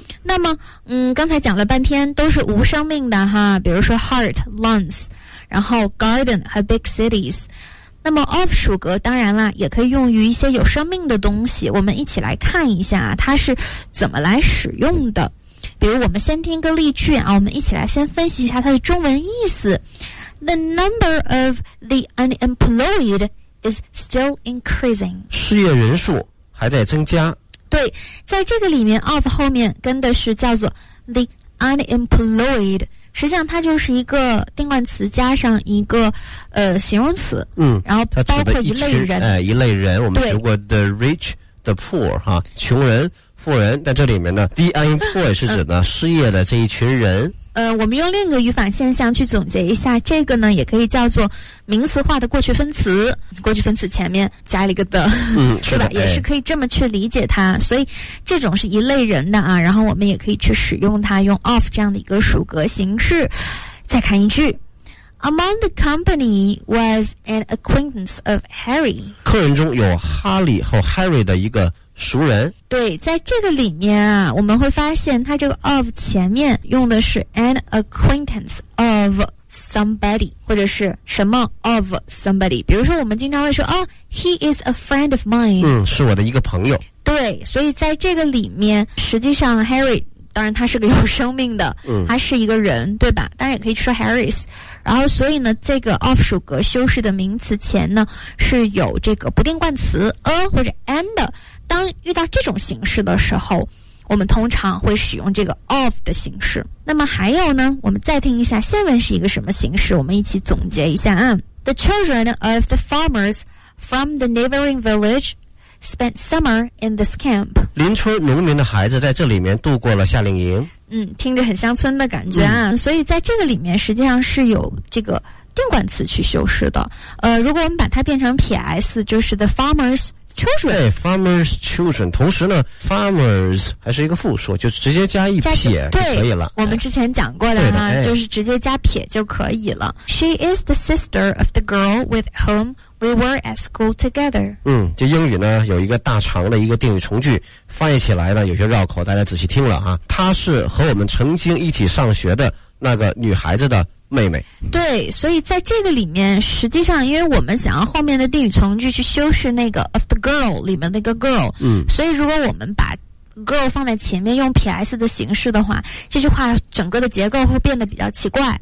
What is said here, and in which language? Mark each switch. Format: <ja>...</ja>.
<zh>那么刚才讲了半天都是无生命的哈，比如说</zh> <en>heart, lungs,</en> <zh>然后 garden 和</zh> <en>big cities。</en> <zh>那么 of 属格当然啦也可以用于一些有生命的东西，我们一起来看一下它是怎么来使用的。比如我们先听一个例句啊，我们一起来先分析一下它的中文意思。</zh> <en>The number of the unemployed is still increasing.</en> <zh>失业人数还在增加。对，在这个里面 of 后面跟的是叫做</zh> <en>the unemployed，</en> <zh>实际上它就是一个定冠词加上一个形容词，然后包括一类人，一类人，我们学过</zh> <en>the rich, the poor</en> <zh>哈，穷人、富人，但这里面呢 ，</zh> <en>the unemployed</en> <zh>是指呢失业的这一群人。我们用另一个语法现象去总结一下，这个呢也可以叫做名词化的过去分词，过去分词前面加了一个的，是吧？是的，也是可以这么去理解它。所以这种是一类人的啊，然后我们也可以去使用它，用 of 这样的一个属格形式。再看一句</zh> <en>，Among the company was an acquaintance of Harry。</en> <zh>客人中有哈利和 Harry 的一个熟人。对，在这个里面啊，我们会发现它这个 of 前面用的是</zh> <en>an acquaintance of somebody</en> <zh>或者是什么</zh> <en>of somebody，</en> <zh>比如说我们经常会说啊、哦、</zh> <en>he is a friend of mine，</en> <zh>是我的一个朋友。对，所以在这个里面实际上 Harry 当然他是个有生命的，他是一个人，对吧？当然也可以说 Harry's。然后所以呢这个 of 属格修饰的名词前呢是有这个不定冠词 a 或者 and， 当遇到这种形式的时候我们通常会使用这个 of 的形式。那么还有呢，我们再听一下下面是一个什么形式，我们一起总结一下啊。</zh> <en>The children of the farmers from the neighboring village spent summer in this camp。</en> <zh>邻村农民的孩子在这里面度过了夏令营。听着很乡村的感觉啊，所以在这个里面实际上是有这个定冠词去修饰的。如果我们把它变成 PS， 就是</zh> <en>the farmers children。</en> <zh>对，</zh> <en>farmers children，</en> <zh>同时呢 farmers 还是一个复数，就直接加一撇就可以了。我们之前讲过的哈、就是直接加撇就可以了。</zh> <en>She is the sister of the girl with whom we were at school together。</en> <zh>就英语呢有一个大长的一个定语从句，翻译起来呢有些绕口，大家仔细听了啊，她是和我们曾经一起上学的那个女孩子的妹妹。对，所以在这个里面实际上因为我们想要后面的定语从句去修饰那个</zh> <en>of the girl</en> <zh>里面那个 girl， 所以如果我们把 girl 放在前面用 PS 的形式的话，这句话整个的结构会变得比较奇怪。</zh>